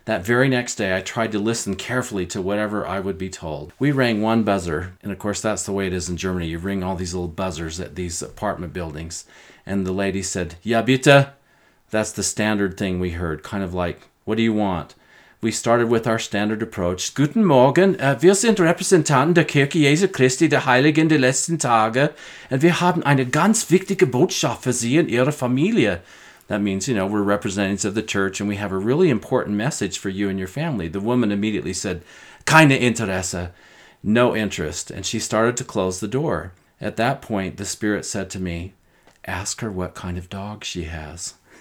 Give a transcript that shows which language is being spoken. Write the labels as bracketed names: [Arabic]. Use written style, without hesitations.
[English] That very next day, I tried to listen carefully to whatever I would be told. We rang one buzzer, and of course, that's the way it is in Germany. You ring all these little buzzers at these apartment buildings. And the lady said, [German] Ja, bitte. [English] That's the standard thing we heard, kind of like, what do you want? We started with our standard approach. [German] Guten Morgen, wir sind Repräsentanten der Kirche Jesu Christi, der Heiligen der letzten Tage, und wir haben eine ganz wichtige Botschaft für Sie und Ihre Familie. [English] That means, you know, we're representatives of the church and we have a really important message for you and your family. The woman immediately said, [German] keine Interesse, [English] no interest. And she started to close the door. At that point, the Spirit said to me, ask her what kind of dog she has.